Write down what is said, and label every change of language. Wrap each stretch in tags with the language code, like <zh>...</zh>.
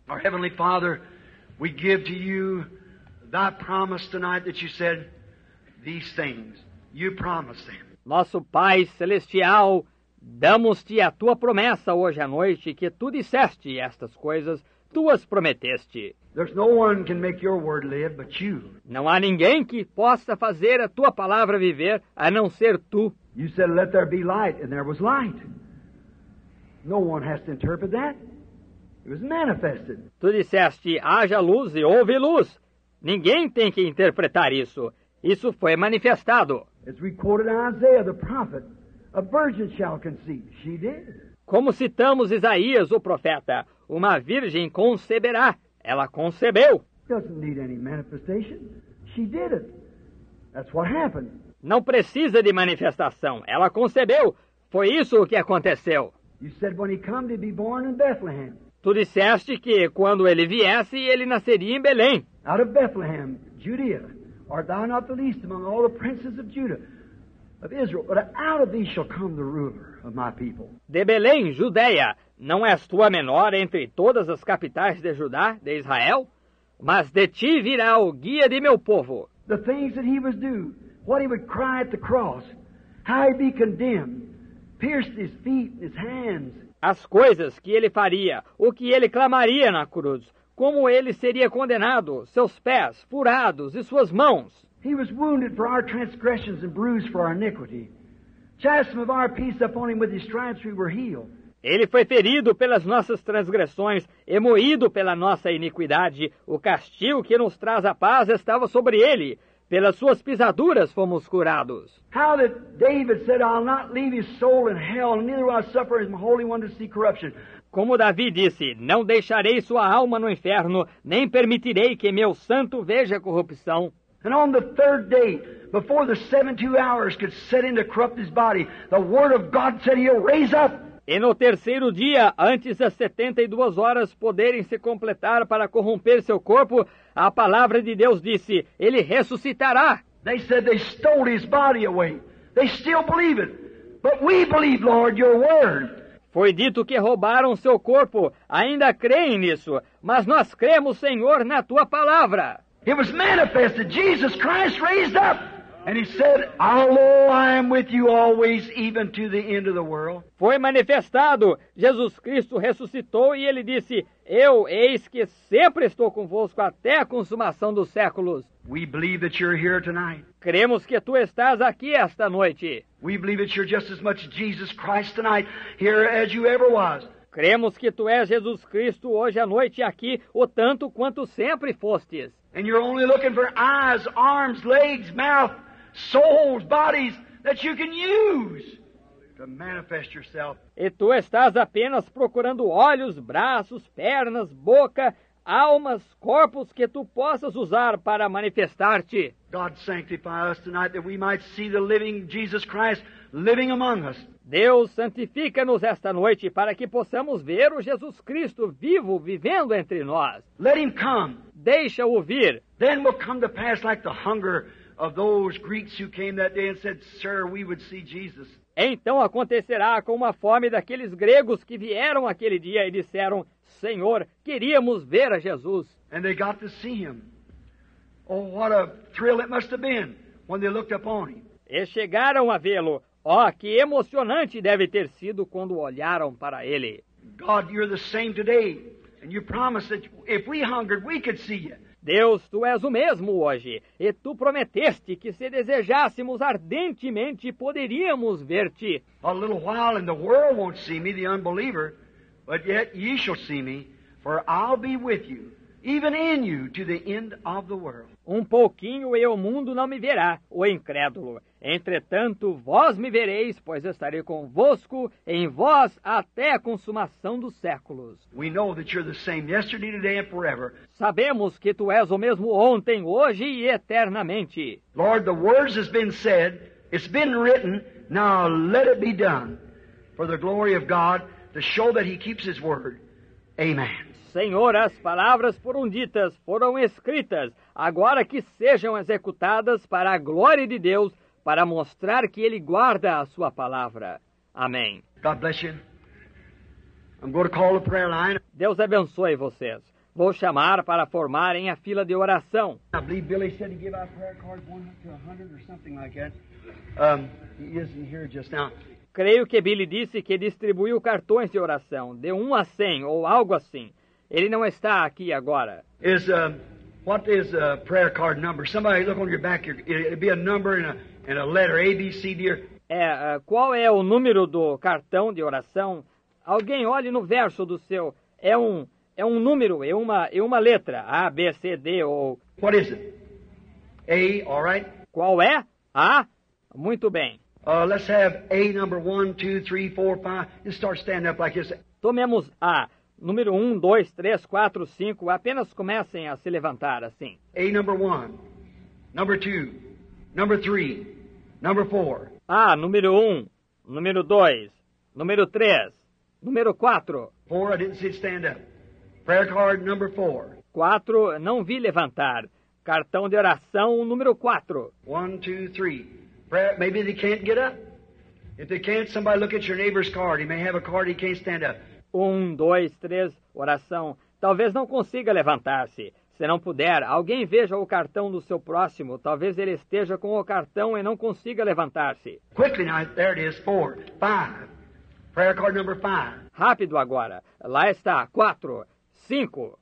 <en>Our Heavenly Father, we give to you thy promise tonight that you said, these things, you promised them.</en> <pt>Nosso Pai Celestial, damos-te a tua promessa hoje à noite, que tu disseste estas coisas, tu as prometeste.</pt> <en>There's no one can make your word live but you.</en> <pt>Não há ninguém que possa fazer a tua palavra viver, a não ser tu.</pt> <en>You said, let there be light, and there was light. No one has to interpret that. It was manifested.</en> <pt>Tu disseste, haja luz e houve luz. Ninguém tem que interpretar isso. Isso foi manifestado.</pt> <en>As we quoted Isaiah, the prophet, a virgin shall conceive. She did.</en> <pt>Como citamos Isaías, o profeta, uma virgem conceberá. Ela concebeu.</pt> <en>Doesn't need any manifestation. She did it. That's what happened.</en> <pt>Não precisa de manifestação. Ela concebeu. Foi isso o que aconteceu.</pt> <en>You said when he come to be born in Bethlehem.</en> <pt>Tu disseste que quando ele viesse, ele nasceria em Belém.</pt> <en>Out of Bethlehem, Judea. Art thou not the least among all the princes of Judah, of Israel? But out of thee shall come the ruler of my people.</en> <pt>De Belém, Judeia, não és tu a menor entre todas as capitais de Judá, de Israel? Mas de ti virá o guia de meu povo.</pt> <en>The things that he was do, what he would cry at the cross, how he'd be condemned, pierced his feet and his hands.</en> <pt>As coisas que ele faria, o que ele clamaria na cruz, como ele seria condenado, seus pés furados e suas mãos.</pt> <en>He was wounded for our transgressions and bruised for our iniquity. Chastisement of our peace upon him, with his stripes we were healed.</en> <pt>Ele foi ferido pelas nossas transgressões e moído pela nossa iniquidade. O castigo que nos traz a paz estava sobre ele. Pelas suas pisaduras fomos curados.</pt> <en>How that David said, I'll not leave his soul in hell, neither will I suffer his holy one to see corruption.</en> <pt>Como Davi disse, não deixarei sua alma no inferno, nem permitirei que meu santo veja corrupção.</pt> <en>And on the third day, before the 72 hours could set in to corrupt his body, the word of God said he'll raise up.</en> <pt>E no terceiro dia, antes das 72 horas poderem se completar para corromper seu corpo, a palavra de Deus disse, ele ressuscitará.</pt> <en>They said they stole his body away. They still believe it. But we believe, Lord, your word.</en> <pt>Foi dito que roubaram seu corpo. Ainda creem nisso. Mas nós cremos, Senhor, na tua palavra.</pt> <en>It was manifested. Jesus Christ raised up. And he said, although I am with you always, even to the end of the world.</en> <pt>Foi manifestado. Jesus Cristo ressuscitou e ele disse, eu eis que sempre estou convosco até a consumação dos séculos.</pt> <en>We believe that you're here tonight.</en> <pt>Cremos que tu estás aqui esta noite.</pt> <en>We believe that you're just as much Jesus Christ tonight here as you ever was.</en> <pt>Cremos que tu és Jesus Cristo hoje à noite aqui, o tanto quanto sempre fostes.</pt> <en>And you're only looking for eyes, arms, legs, mouth, souls, bodies that you can use. to manifest yourself.</en> <pt>E tu estás apenas procurando olhos, braços, pernas, boca, almas, corpos que tu possas usar para manifestar-te.</pt> <en>God sanctify us tonight that we might see the living Jesus Christ living among us.</en> <pt>Deus, santifica-nos esta noite para que possamos ver o Jesus Cristo vivo, vivendo entre nós.</pt> <en>Let him come.</en> <pt>Deixa-o vir.</pt> <en>Then will come to pass like the hunger of those Greeks who came that day and said, "Sir, we would see Jesus."</en> <pt>Então acontecerá como a fome daqueles gregos que vieram aquele dia e disseram, "Senhor, queríamos ver a Jesus."</pt> <en>And they got to see him. Oh, what a thrill it must have been when they looked upon him.</en> <pt>E chegaram a vê-lo. Oh, que emocionante deve ter sido quando olharam para ele.</pt> <en>God, you're the same today, and you promised that if we hungered, we could see you.</en> <pt>Deus, tu és o mesmo hoje, e tu prometeste que se desejássemos ardentemente, poderíamos ver-te.</pt> <en>A little while and the world won't see me, the unbeliever, but yet ye shall see me, for I'll be with you, even in you, to the end of the world.</en> <pt>Um pouquinho e o mundo não me verá, o incrédulo. Entretanto, vós me vereis, pois estarei convosco em vós até a consumação dos séculos.</pt> <en>We know that you're the same yesterday, today and forever.</en> <pt>Sabemos que tu és o mesmo ontem, hoje e eternamente.</pt> <en>Lord, the words has been said, it's been written, now let it be done for the glory of God to show that he keeps his word. Amen.</en> <pt>Senhor, as palavras foram ditas, foram escritas, agora que sejam executadas para a glória de Deus, para mostrar que Ele guarda a sua palavra. Amém.</pt> <en>God bless you. I'm going to call the prayer line.</en> <pt>Deus abençoe vocês. Vou chamar para formarem a fila de oração.</pt> <en>I believe Billy said he gave out prayer cards 1 to 100 or something like that. He isn't here just now.</en> <pt>Creio que Billy disse que distribuiu cartões de oração, de 1 a 100 ou algo assim. Ele não está aqui agora.</pt> <en>What is a prayer card number? Somebody look on your back. It'll be a number and a letter A, B, C, D.</en> <pt>Qual é o número do cartão de oração? Alguém olhe no verso do seu. É um número e uma letra. A, B, C, D ou.</pt> <en>What is it? A, all right.</en> <pt>Qual é? A. Muito bem.</pt> <en>Let's have A number 1, 2, 3, 4, 5. Just start standing up like this.</en> <pt>Tomemos A. Número 1, 2, 3, 4, 5. Apenas comecem a se levantar assim.</pt> <en>A number 1. Number 2. Number 3. Number 4.</en> <pt>A, número 1. Número 2. Número 3. Número 4.</pt> <en>4, I didn't see stand up. Prayer card number 4.</en> <pt>4, não vi levantar. Cartão de oração número 4.</pt> <en>1, 2, 3. Prayer, maybe they can't get up. If they can't, somebody look at your neighbor's card. He may have a card he can't stand up.</en> <pt>1, 2, 3, oração. Talvez não consiga levantar-se. Se não puder, alguém veja o cartão do seu próximo. Talvez ele esteja com o cartão e não consiga levantar-se.</pt> <en>Quickly now, there it is, 4, 5. Prayer card number 5.</en> <pt>Rápido agora. Lá está, 4, 5.</pt>